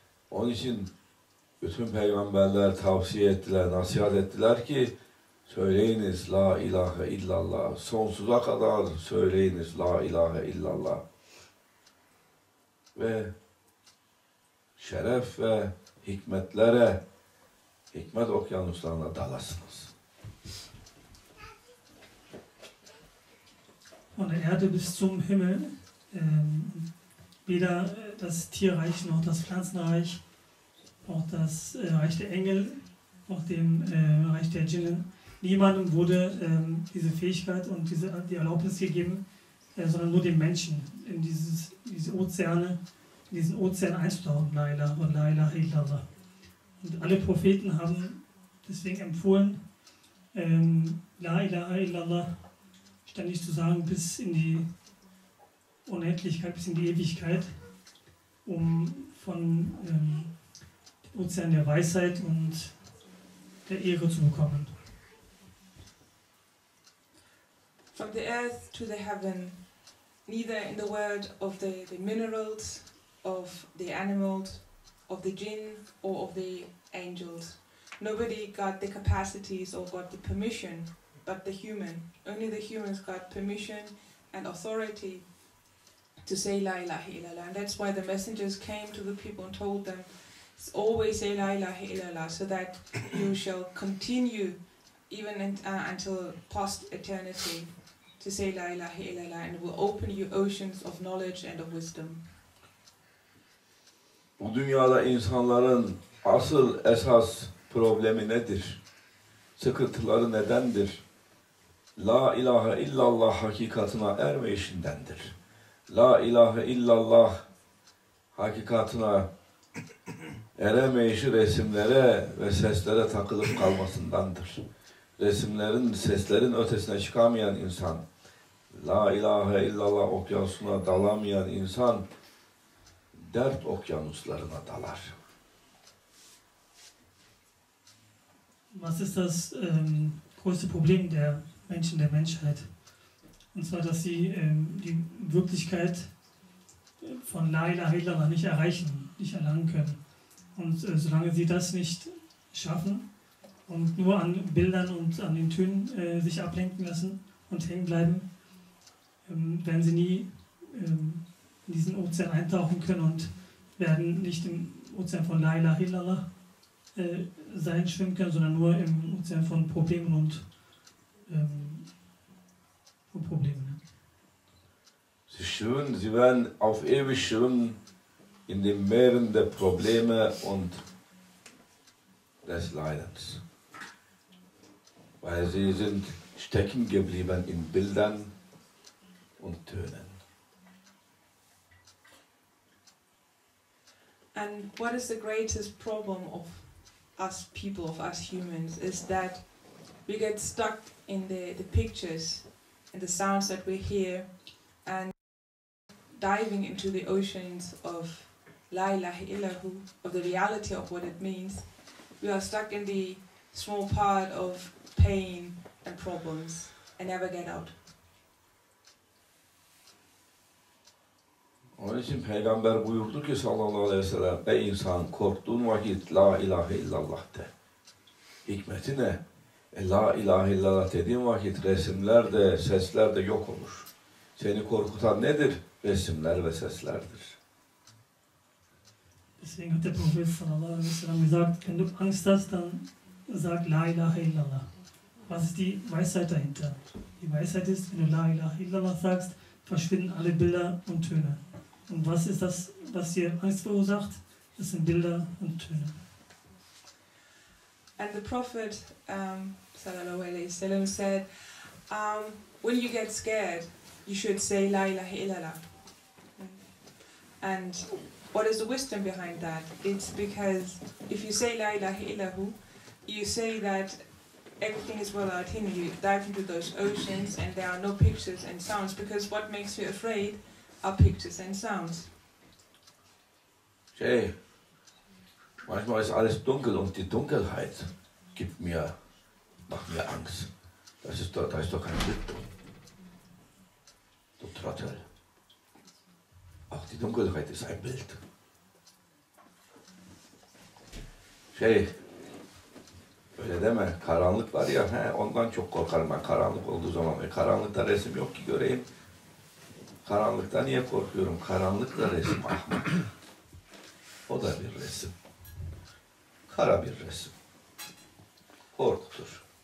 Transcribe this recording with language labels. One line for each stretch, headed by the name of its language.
Turkish: Onun için bütün peygamberler tavsiye ettiler, nasihat ettiler ki söyleyiniz La ilahe illallah, sonsuza kadar söyleyiniz La ilahe illallah. Ve şeref ve hikmetlere, hikmet okyanuslarına dalasınız.
German: Von der Erde bis zum Himmel, weder das Tierreich noch das Pflanzenreich, auch das Reich der Engel, auch dem Reich der Djinnen, niemandem wurde diese Fähigkeit und diese, die Erlaubnis gegeben, sondern nur den Menschen in dieses, diese Ozeane, in diesen Ozean einzutauchen, La ilaha und La ilaha illallah. Und alle Propheten haben deswegen empfohlen, La ilaha illallah ständig zu sagen, bis in die Unendlichkeit, bis in die Ewigkeit, um von dem Ozean der Weisheit und der Ehre zu bekommen.
English: From the earth to the heaven, neither in the world of the minerals, of the animals, of the jinn, or of the angels. Nobody got the capacities or got the permission but the human. Only the humans got permission and authority to say La ilaha illallah. And that's why the messengers came to the people and told them, always say La ilaha illallah, so that you shall continue even until past eternity to say La ilaha illallah, and it will open you oceans of knowledge and of wisdom.
Turkish: Bu dünyada insanların asıl esas problemi nedir? Sıkıntıları nedendir? La ilahe illallah hakikatına ermeyişindendir. La ilahe illallah hakikatına eremeyişi resimlere ve seslere takılıp kalmasındandır. Resimlerin, seslerin ötesine çıkamayan insan, La ilahe illallah okyanusuna dalamayan insan, dert okyanuslarına dalar.
German: Was ist das größte Problem der Menschen, der Menschheit? Und zwar, dass sie die Wirklichkeit von La ilaha illallah nicht erreichen, nicht erlangen können. Und solange sie das nicht schaffen und nur an Bildern und an den Tönen sich ablenken lassen und hängen bleiben, werden sie nie in diesen Ozean eintauchen können und werden nicht im Ozean von La ilaha illallah sein schwimmen können, sondern nur im Ozean von Problemen und von Problemen. Sie schwimmen, sie werden auf ewig schwimmen in den Meeren der Probleme und des Leidens. Weil sie sind stecken geblieben in Bildern und Tönen.
English: And what is the greatest problem of us people, of us humans, is that we get stuck in the pictures and the sounds that we hear and diving into the oceans of La ilaha illahu, of the reality of what it means. We are stuck in the small part of pain and problems and never get out.
Turkish: Onun için peygamber buyurdu ki sallallahu aleyhi ve sellem, ey insan, korktuğun vakit La ilahe illallah de. Hikmeti ne? La ilahe illallah dediğin vakit resimler de sesler de yok olur. Seni korkutan nedir? Resimler ve seslerdir.
German: Deswegen hat der Prophet sallallahu aleyhi ve sellem gesagt, wenn du Angst hast, dann sag La ilahe illallah. Was ist die Weisheit dahinter? Die Weisheit ist, wenn du La ilahe illallah sagst, verschwinden alle Bilder und Töne. Und was ist das, was dir Angst verursacht? Das sind Bilder und Töne.
English: And the Prophet, sallallahu alaihi wasallam, said, when you get scared, you should say La ilaha illallah. And What is the wisdom behind that? It's because if you say La ilaha illahu, you say that everything is well out here. You dive into those oceans and there are no pictures and sounds, because what makes you afraid are pictures and sounds.
German: Hey, manchmal ist alles dunkel und die Dunkelheit gibt mir, macht mir Angst. Das ist doch, da ist doch kein Licht drin. Du Trottel. Auch die Dunkelheit ist ein Bild.
Turkish: Şey, öyle deme, karanlık var ya, he, ondan çok korkarım ben karanlık olduğu zaman. Karanlıkta resim yok ki göreyim. Karanlıkta niye korkuyorum? Karanlıkta resim, ahmak. O da bir resim. Kara bir resim. Korkutur.